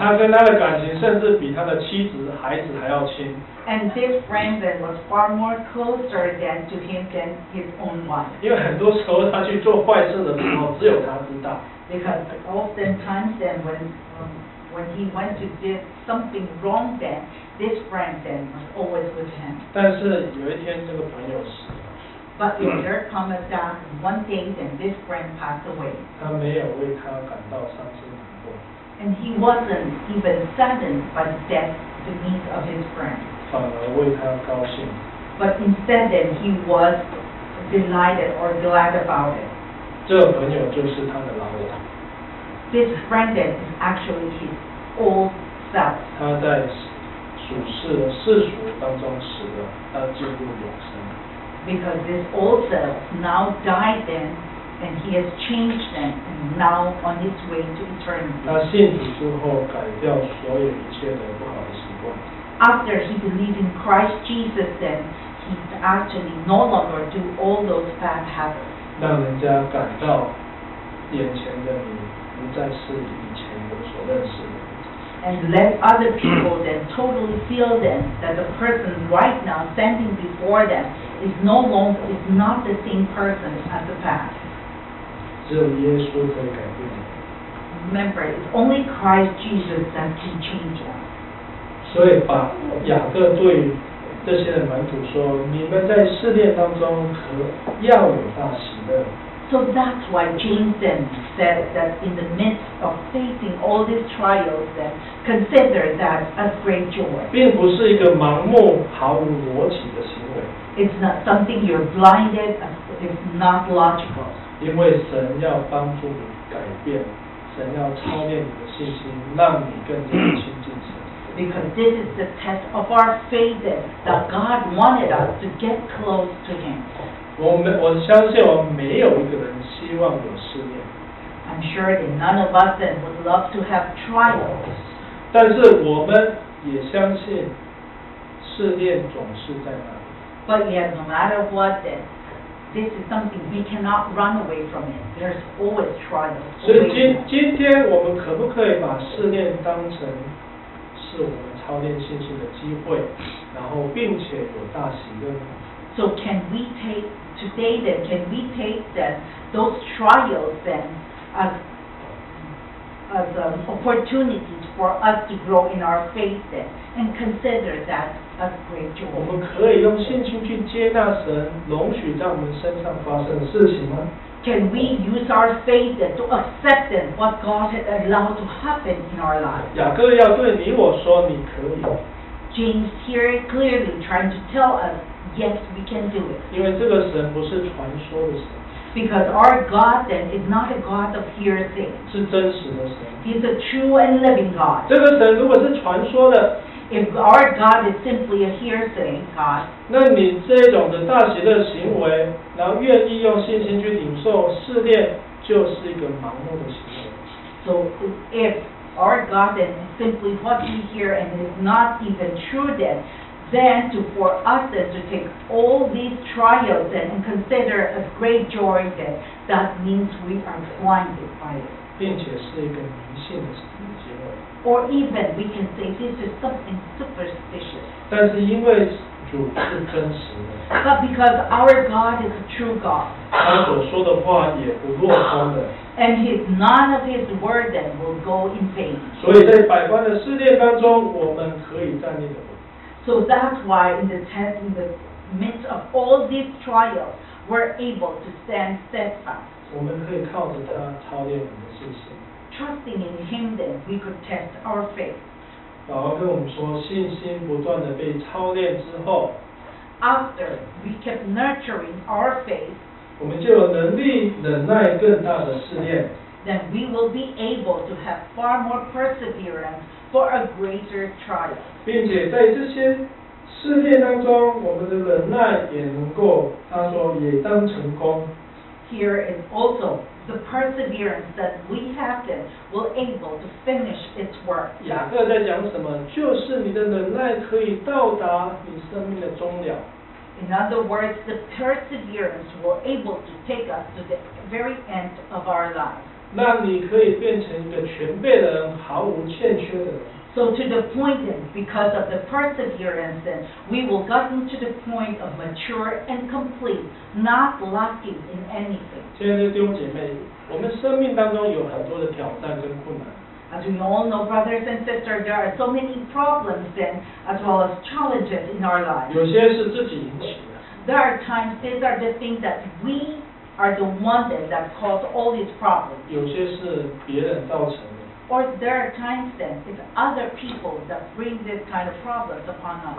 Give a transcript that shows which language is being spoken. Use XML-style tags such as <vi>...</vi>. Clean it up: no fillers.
<zh>他跟他的感情甚至比他的妻子、孩子还要亲。</zh> <en>And this friend then was far more closer than to him than his own wife.</en> <zh>因为很多时候他去做坏事的时候，只有他知道。</zh> <en>Because often times then when he went to do something wrong then, this friend then was always with him.</en> <zh>但是有一天这个朋友死了。</zh> <en>But if there comes down one day, then this friend passed away.</en> <zh>他没有为他感到伤心难过。</zh> <en>And he wasn't even saddened by the death to meet of his friend.</en> <zh>反而为他高兴。</zh> <en>But instead, then he was delighted or glad about it.</en> <zh>这朋友就是他的老我。</zh> <en>This friend then is actually his old self.</en> <zh>他在属世的世俗当中死了，他进入永生。</zh> <en>Because this old self now died then, and he has changed then, and now on his way to eternity.</en> <zh>他信主之后改掉所有一切的不好的习惯。</zh> <en>After he believed in Christ Jesus then, he actually no longer do all those bad habits.</en> <zh>让人家感到眼前的你不再是以前我所认识的。</zh> <en>And let other people then totally feel then that the person right now standing before them is no longer, is not the same person as the past.</en> <zh>只有耶稣可以改变。</zh> <en>Remember, it's only Christ Jesus that can change us.</en> <zh>所以把雅各对这些的门徒说，你们在试炼当中可要有大喜乐。</zh> <en>So that's why James then said that in the midst of facing all these trials, then consider that a great joy.</en> <zh>并不是一个盲目毫无逻辑的行为。</zh> <en>It's not something you're blinded. It's not logical.</en> <zh>因为神要帮助你改变，神要操练你的信心，让你更加亲近神。</zh> <en>Because this is the test of our faith that God wanted us to get close to Him.</en> <zh>我相信我没有一个人希望有试炼。</zh> <en>I'm sure that none of us then would love to have trials.</en> <zh>但是我们也相信试炼总是在那里。</zh> <en>But yet, no matter what, then this is something we cannot run away from it. There's always trials.</en> <zh>所以今天我们可不可以把试炼当成是我们操练信心的机会，然后并且有大喜乐呢？</zh> <en>So can we take today then? Can we take then those trials then as opportunities for us to grow in our faith then and consider that as great joy?</en> <zh>我们可以用信心去接纳神容许在我们身上发生的事情吗？</zh> <en>Can we use our faith then to accept then what God has allowed to happen in our life?</en> <zh>雅各要对你我说，你可以。</zh> <en>James here clearly trying to tell us. Yes, we can do it.</en> <zh>因为这个神不是传说的神。</zh> <en>Because our God then is not a God of hearsay.</en> <zh>是真实的神。</zh> <en>He's a true and living God.</en> <zh>这个神如果是传说的。</zh> <en>If our God is simply a hearsay God.</en> <zh>那你这种的大喜乐行为，然后愿意用信心去领受试炼，就是一个盲目的行为。</zh> <en>So if our God then is simply what we hear and is not even true then. Then to for us then to take all these trials then and consider a great joy then that means we are blinded by it.</en> <zh>并且是一个迷信的结果。</zh> <en>Or even we can say this is something superstitious.</en> <zh>但是因为主是真实的。</zh> <en>But because our God is a true God.</en> <zh>他所说的话也不落空的。</zh> <en>And his none of his word then will go in vain.</en> <zh>所以在百般的试炼当中，我们可以站立的。</zh> <en>So that's why in the tent, in the midst of all these trials, we're able to stand steadfast.</en> <zh>我们可以靠着他操练我们的信心。</zh> <en>Trusting in him then, we could test our faith.</en> <zh>保罗跟我们说，信心不断地被操练之后，</zh> <en>After we kept nurturing our faith,</en> <zh>我们就有能力忍耐更大的试炼。</zh> <en>Then we will be able to have far more perseverance for a greater trial.</en> <zh>并且在这些试炼当中，我们的忍耐也能够，他说也当成功。</zh> <en>Here is also the perseverance that we have then will able to finish its work.</en> <zh>雅各在讲什么？就是你的忍耐可以到达你生命的终了。</zh> <en>In other words, the perseverance will able to take us to the very end of our life.</en> <zh>那你可以变成一个全备的人，毫无欠缺的人。</zh> <en>So to the point then, because of the perseverance then, we will gotten to the point of mature and complete, not lacking in anything.</en> <zh>亲爱的弟兄姐妹，我们生命当中有很多的挑战跟困难。</zh> <en>As we all know, brothers and sisters, there are so many problems then, as well as challenges in our lives.</en> <zh>有些是自己引起的。</zh> <en>There are times these are the things that we. Are the ones that cause all these problems.</en> <zh>有些是别人造成的。</zh> <en>Or there are times then it's other people that bring this kind of problems upon us.</en>